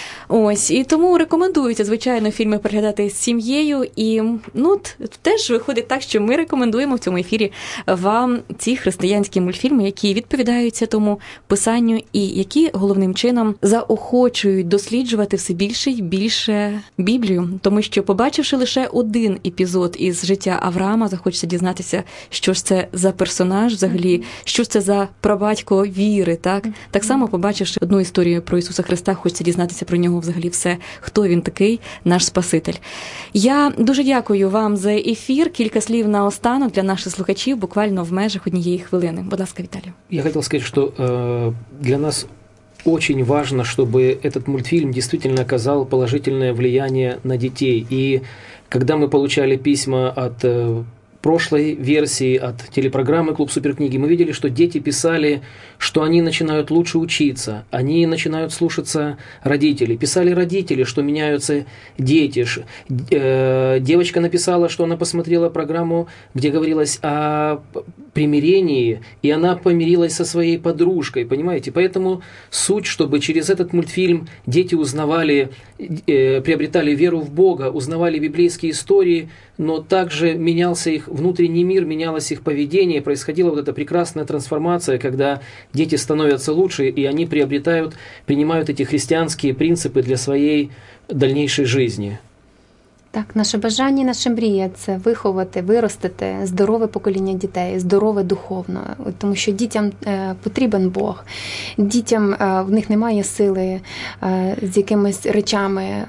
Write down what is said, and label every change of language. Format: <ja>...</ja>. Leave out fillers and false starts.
<uk>Ось, і тому рекомендується, звичайно, фільми переглядати з сім'єю, і, ну, теж виходить так, що ми рекомендуємо в цьому ефірі вам ці християнські мультфільми, які відповідаються тому писанню, і які головним чином заохочують досліджувати все більше і більше Біблію, тому що, побачивши лише один епізод із життя Авраама, захочеться дізнатися, що ж це за персонаж взагалі, що ж це за прабатько віри, так? Так само, побачивши одну історію про Ісуса Христа, та хочеться дізнатися про нього взагалі все, хто він такий, наш Спаситель. Я дуже дякую вам за ефір. Кілька слів наостанок для наших слухачів, буквально в межах однієї хвилини. Будь ласка, Віталій. Я хотів сказати, що для нас</uk> <ru>очень важно, чтобы этот мультфильм действительно оказал положительное влияние на детей. И когда мы получали письма от прошлой версии от телепрограммы «Клуб суперкниги», мы видели, что дети писали, что они начинают лучше учиться, они начинают слушаться родителей. Писали родители, что меняются дети. Девочка написала, что она посмотрела программу, где говорилось о примирении, и она помирилась со своей подружкой, понимаете? Поэтому суть, чтобы через этот мультфильм дети узнавали, приобретали веру в Бога, узнавали библейские истории, но также менялся их внутренний мир, менялось их поведение, происходила вот эта прекрасная трансформация, когда дети становятся лучше, и они приобретают, принимают эти христианские принципы для своей дальнейшей жизни.</ru> <uk>Так, наше бажання і наша мрія – це виховати, виростити здорове покоління дітей, здорове духовно. Тому що дітям потрібен Бог. Дітям в них немає сили з якимись речами</uk>